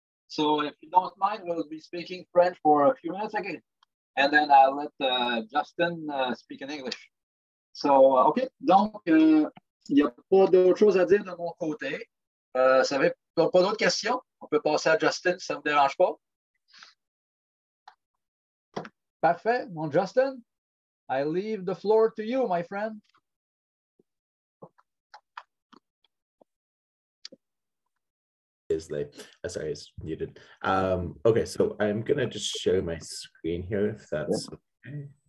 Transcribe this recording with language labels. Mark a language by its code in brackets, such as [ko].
[en] So if you don't mind, we'll be speaking French for a few minutes again. And then I'll let Justin speak in English. So, OK. [fr] Donc, il n'y a pas d'autre chose à dire de mon côté. Ça va être pas d'autres questions? On peut passer à Justin, si ça ne me dérange pas. Parfait. Mon [en] Justin, I leave the floor to you, my friend. Sorry, it's muted. Okay, so I'm going to just share my screen here, if that's okay.